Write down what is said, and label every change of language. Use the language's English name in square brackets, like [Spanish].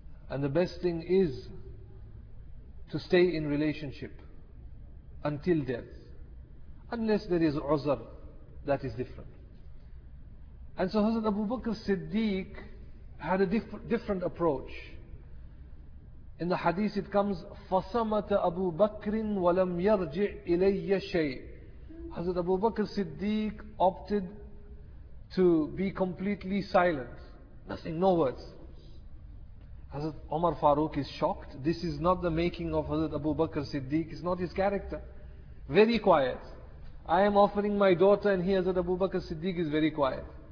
[English] And the best thing is to stay in relationship until death. Unless there is uzr, that is different. And so Hazrat Abu Bakr Siddiq had a different approach. In the hadith it comes, [Arabic] فَصَمَتَ أَبُو بَكْرٍ وَلَمْ يَرْجِعْ إِلَيَّ شَيْءٍ. [English] Hazrat Abu Bakr Siddiq opted to be completely silent. Nothing, no words. Hazrat Umar Farooq is shocked. This is not the making of Hazrat Abu Bakr Siddiq. It's not his character. Very quiet. I am offering my daughter and he, Hazrat Abu Bakr Siddiq, is very quiet.